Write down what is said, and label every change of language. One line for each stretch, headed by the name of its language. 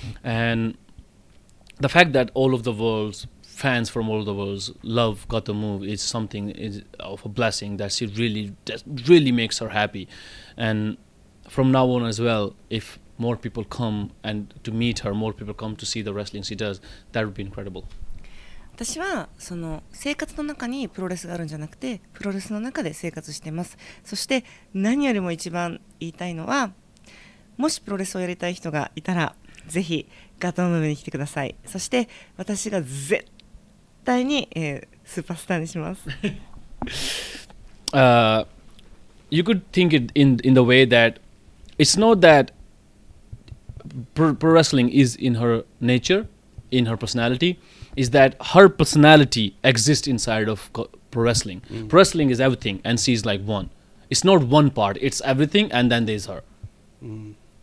English: And the fact that all of the world's fans from all of the world love Gato Move is something is of a blessing that she really, that really makes her happy. And from now on as well, if more people come and to meet her, more people come to see the wrestling she does, that would be incredible.
Japanese: 私はその生活の中にプロレスがあるんじゃなくてプロレスの中で生活しています。そして何よりも一番言いたいのはもしプロレスをやりたい人がいたらぜひガトムに来てください。そして私が絶対に、スーパースターにします。
English: you could think it in the way that it's not that pro wrestling is in her nature, in her personality. Is that her personality exists inside of pro wrestling. Mm. Pro wrestling is everything, and she's like one. It's not one part, it's everything, and then there's her. Mm.